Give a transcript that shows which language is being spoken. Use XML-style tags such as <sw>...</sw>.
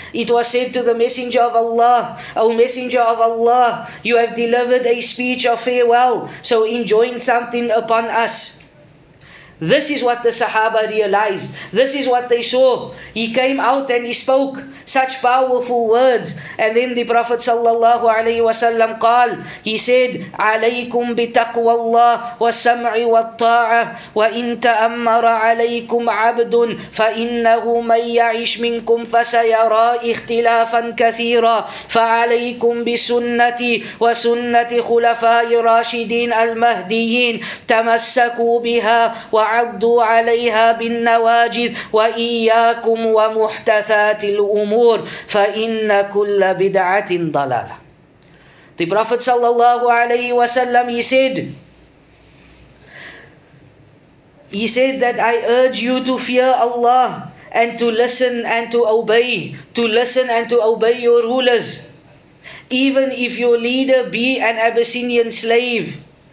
<en>It was said to the Messenger of Allah, O Messenger of Allah, you have delivered a speech of farewell, so enjoin something upon us. This is what the Sahaba realized. This is what they saw. He came out and he spoke such powerful words. And then the Prophet sallallahu alayhi wa sallam qal, he said,</en> <ar>عليكم بتقوى الله والسمع والطاعة وإن تأمر عليكم عبد فإنه من يعيش منكم فسيرى اختلافا كثيرا فعليكم بسنتي وسنة خلفاء راشدين المهديين تمسكوا بها و عضوا عليها بالنواجذ وإياكم ومحتثات الأمور فإن كل بدعة ضلالة.</ar> <en>The Prophet sallallahu alayhi wa sallam, he said that I urge you to fear Allah and to listen and to obey, to listen and to obey your rulers. Even if your leader be an Abyssinian slave.</en>